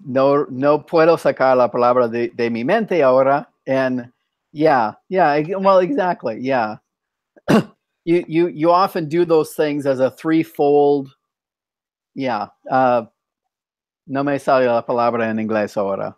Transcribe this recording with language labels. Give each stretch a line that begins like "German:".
Spanish: No puedo sacar la palabra de mi mente ahora.
English: And yeah. Well, exactly. Yeah. you often do those things as a threefold. Yeah.
Spanish: No me sale la palabra en inglés ahora.